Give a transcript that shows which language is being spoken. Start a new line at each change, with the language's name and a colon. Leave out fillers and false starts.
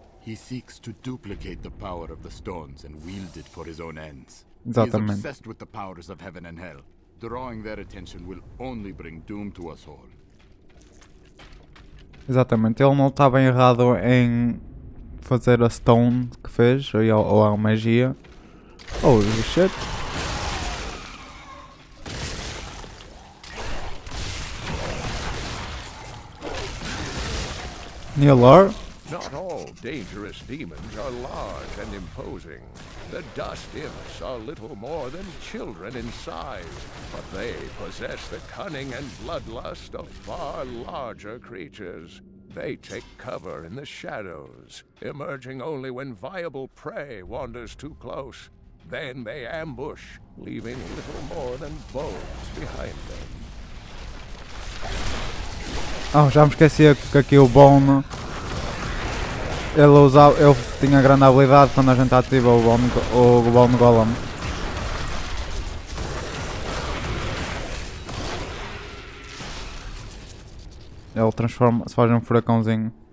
English: He seeks to duplicate the power of the stones and wield it for his own ends.
Portuguese: Exatamente.
English: He is obsessed with the powers of heaven and hell. Drawing their attention will only bring doom to us all.
Portuguese: Exatamente. Ele não estava errado em fazer a stone que fez, ou a magia.
English: Oh shit. New lore. Not all dangerous demons are large and imposing. The dust imps are little more than children in size, but they possess the cunning and bloodlust of far larger creatures. They take cover in the shadows, emerging only when viable prey wanders too close. Then they ambush, leaving little more than bones behind them.
Portuguese: Oh, já me esquecia que aqui o bone. Ele tinha grande habilidade quando a gente ativa o bone golem. Ele transforma, se faz um furacãozinho.